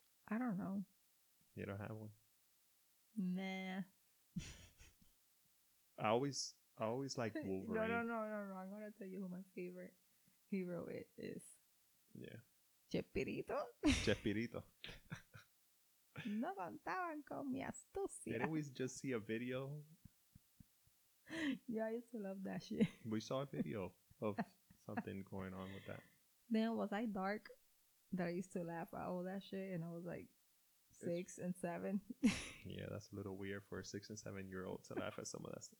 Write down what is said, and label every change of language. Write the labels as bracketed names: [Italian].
[English] I don't know. You don't have one? Nah. I always like Wolverine. No. I'm gonna tell you who my favorite hero is. Yeah. Chespirito. Chespirito. [Spanish] No contaban con mi astucia. [English] Didn't we just see a video? Yeah, I used to love that shit. We saw a video of something going on with that. Then was I dark that I used to laugh at all that shit and I was like six it's, and seven? Yeah, that's a little weird for a 6 and 7 year old to laugh at some of that stuff.